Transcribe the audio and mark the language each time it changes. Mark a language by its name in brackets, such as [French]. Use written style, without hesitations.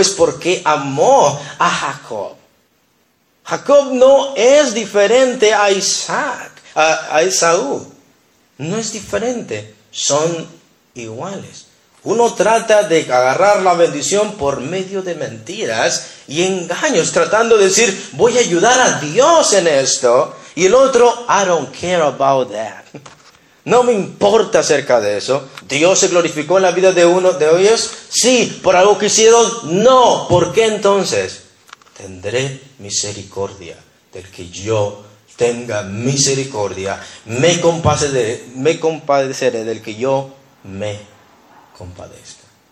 [Spanish] Es porque amó a Jacob. Jacob no es diferente a Isaac, a Esaú. No es diferente, son iguales. Uno trata de agarrar la bendición por medio de mentiras y engaños, tratando de decir, voy a ayudar a Dios en esto. Y el otro, [English] I don't care about that. [Spanish] No me importa acerca de eso. ¿Dios se glorificó en la vida de uno de ellos? Sí, ¿por algo que hicieron? No. ¿Por qué entonces? Tendré misericordia del que yo tenga misericordia, me compadeceré del que yo me compadezca.